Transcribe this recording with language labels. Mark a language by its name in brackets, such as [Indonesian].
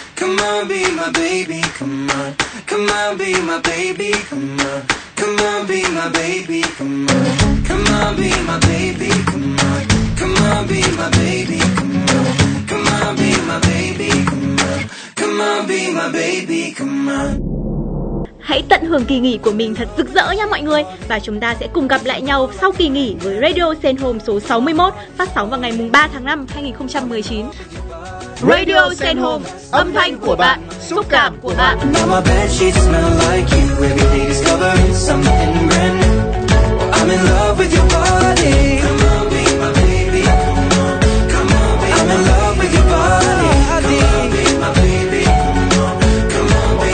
[English] Come on, be my baby, come on. Come on, be my baby, come on. Come on, be my baby, come on. Come on, be my baby, come on. Come on, be my baby, come on. Come on, be my baby, come on. Come on, be my baby, come on. [Vietnamese] Hãy tận hưởng kỳ nghỉ của mình thật rực rỡ nha mọi người. Và chúng ta sẽ cùng gặp lại nhau sau kỳ nghỉ với Radio Send Home số 61, phát sóng vào ngày 3 tháng 5 2019. Radio Send Home, âm thanh của bạn, xúc cảm của bạn. [English] Now my bed sheets smell like you. Every day discovering something brand new. I'm in love with your body. Come on, be my baby, come on, come on. I'm in love with your body. Come on, be my baby, come on, come on.